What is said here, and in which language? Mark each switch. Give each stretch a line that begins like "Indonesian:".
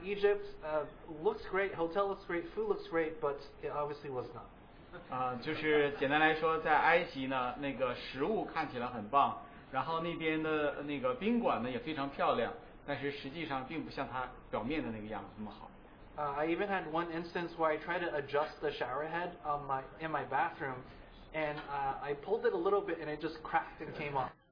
English: Egypt looks great, hotel looks great, food looks great, but it obviously was not.
Chinese: 就是简单来说，在埃及呢，那个食物看起来很棒。然后那边的那个宾馆呢也非常漂亮，但是实际上并不像它表面的那个样子那么好。
English: I even had one instance where I tried to adjust the shower head on in my bathroom, and I pulled it a little bit and it just cracked and came off.